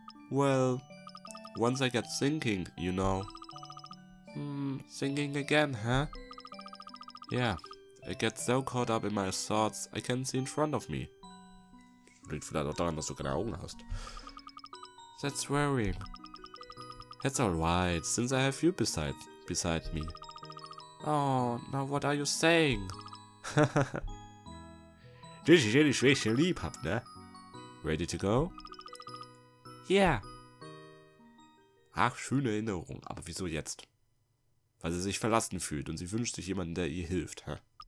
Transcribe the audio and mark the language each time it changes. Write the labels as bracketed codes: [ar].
[en] Well, once I get thinking, you know. Thinking again, huh? Yeah, I get so caught up in my thoughts, I can't see in front of me. [de] Liegt vielleicht auch daran, dass du keine Augen hast. [en] That's worrying. That's alright, since I have you beside me. Oh, now what are you saying? [de] Das ist ehrlich, was ich lieb hab, ne? [en] Ready to go? Yeah. [de] Ach, schöne Erinnerung, aber wieso jetzt? Weil sie sich verlassen fühlt und sie wünscht sich jemanden, der ihr hilft, hä?